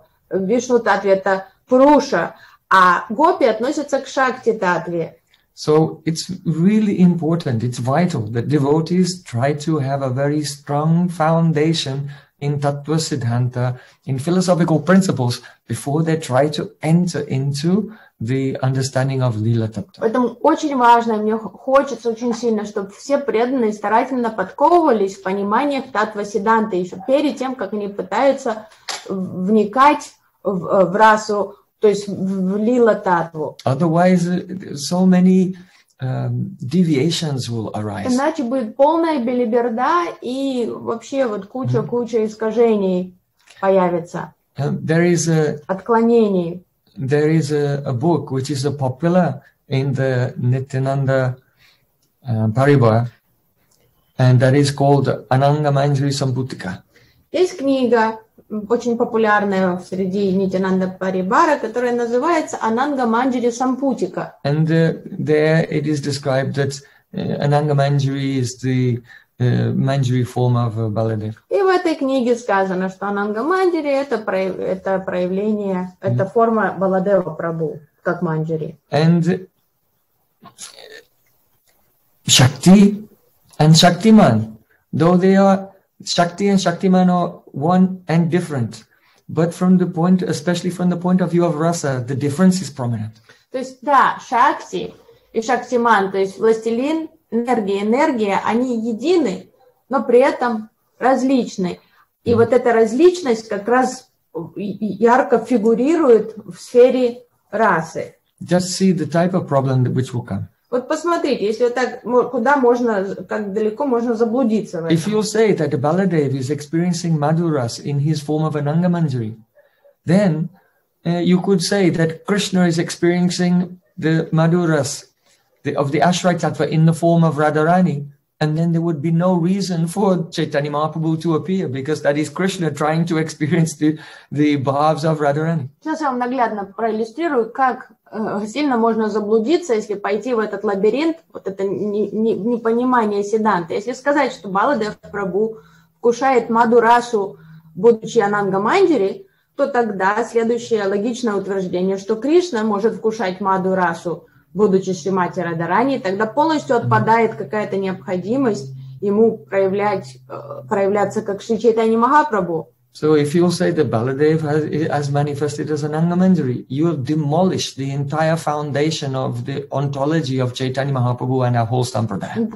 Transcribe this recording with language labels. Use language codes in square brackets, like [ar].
[ru] Вишну-таттве это Пуруша, а гопи относятся к Шакти-таттве. [en] So it's really important, it's vital that devotees try to have a very strong foundation in Tattva Siddhanta, in philosophical principles, before they try to enter into the understanding of Lila Tattva. [ru] Поэтому очень важно, мне хочется очень сильно, чтобы все преданные старательно подковывались в понимание Таттва Сидданты еще перед тем, как они пытаются вникать в расу, то есть в Лила Таттву. [en] Otherwise, so many deviations will arise. [ru] Иначе будет полная билиберда и вообще вот куча-куча искажений появится. [en] There is a [ru] отклонений. [en] There is a book which is a popular in the Nityananda Parivā, and that is called Ananga Manjari Samputika. [ru] Есть книга очень популярная среди Нитянанда Парибара, которая называется Ананга Манджари Сампутика. [en] And there it is described that Ананга Манджари is the Манджари form of Баладев. [ru] И в этой книге сказано, что Ананга Манджари это проявление, это форма Баладева Прабу, как Манджари. [en] And Шакти and Шактиман, though they are Shakti and Shaktiman are one and different, but from the point, especially from the point of view of Rasa, the difference is prominent. [ru] То есть, да, Шакти и Шактиман, то есть властелин, энергия, они едины, но при этом различны. И вот эта различность как раз ярко фигурирует в сфере расы. [en] Just see the type of problem which will come. [ru] Вот посмотрите, если так, куда можно, как далеко можно заблудиться в этом. [en] If you say that Baladev is experiencing Madhuras in his form of Ananga Manjari, then you could say that Krishna is experiencing the Madhuras of the Ashray Tattva in the form of Radharani, and then there would be no reason for Chaitanya Mahaprabhu to appear, because that is Krishna trying to experience the bhavs of Radharani. [ru] Сейчас я вам наглядно проиллюстрирую, как сильно можно заблудиться, если пойти в этот лабиринт, вот это непонимание Сидданты. Если сказать, что Баладев Прабу вкушает Мадурасу, будучи Ананга Манджари, то тогда следующее логичное утверждение, что Кришна может вкушать Мадурасу, будучи Шримати Радарани, тогда полностью отпадает какая-то необходимость ему проявляться как Шри Чайтанья Махапрабху. [en] So if you say that Baladev has manifested as Ananga Manjari, you have demolished the entire foundation of the ontology of Chaitanya Mahaprabhu and our whole sampradaya.